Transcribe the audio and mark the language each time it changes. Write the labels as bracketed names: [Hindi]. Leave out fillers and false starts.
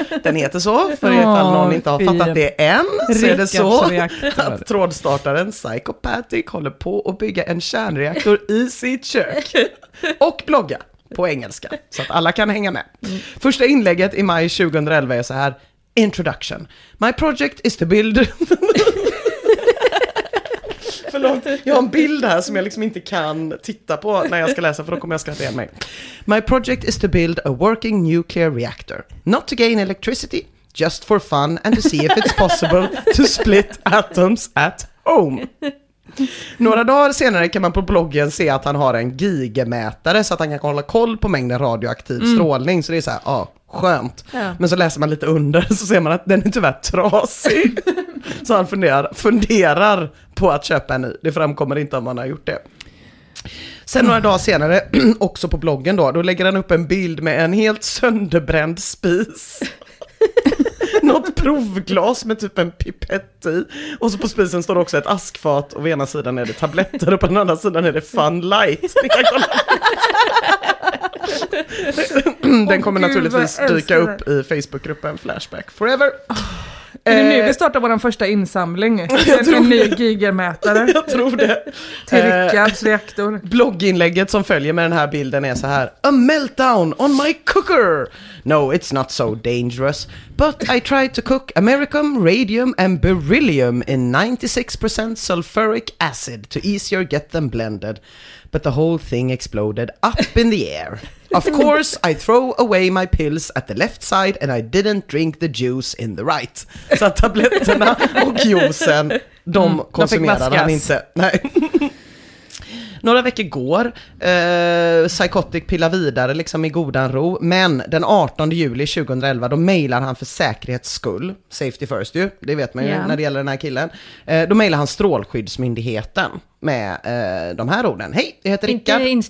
[Swedish] Den heter så, för ifall någon inte har fattat det än, så är det så att trådstartaren Psychopathic håller på att bygga en kärnreaktor i sitt kök och blogga på engelska, så att alla kan hänga med. Första inlägget i maj 2011 är så här: introduction. [English] My project is to build... [Swedish] Förlåt, jag har en bild här som jag liksom inte kan titta på när jag ska läsa, för då kommer jag skratta igen mig. [English] My project is to build a working nuclear reactor. Not to gain electricity, just for fun and to see if it's possible to split atoms at home. [Swedish] Några dagar senare kan man på bloggen se att han har en gigamätare så att han kan hålla koll på mängden radioaktiv strålning. Så det är så här, ja, skönt. Ja. Men så läser man lite under så ser man att den är tyvärr trasig. Så han funderar på att köpa en ny. Det framkommer inte om man har gjort det. Sen några dagar senare, också på bloggen då lägger han upp en bild med en helt sönderbränd spis. Något provglas med typ en pipett i. Och så på spisen står också ett askfat. Och på ena sidan är det tabletter och på den andra sidan är det Fun Light. Den kommer naturligtvis dyka upp i Facebookgruppen Flashback Forever. Är det nu vi startar vår första insamling? En ny gigamätare. Jag tror det. Till Rickards reaktor. Blogginlägget som följer med den här bilden är så här: [English] a meltdown on my cooker. No, it's not so dangerous. But I tried to cook americium, radium and beryllium in 96% sulfuric acid to easier get them blended. But the whole thing exploded up in the air. Of course, I throw away my pills at the left side and I didn't drink the juice in the right. [Swedish] Så tabletterna och juicen, de konsumerade han inte. Nej. Några veckor går, Psychotic pillar vidare liksom i godan ro, men den 18 juli 2011 då mailar han för säkerhets skull, [English] safety first [Swedish] ju, det vet man ju när det gäller den här killen, då mailar han Strålskyddsmyndigheten med de här orden: hej, jag heter Rickard.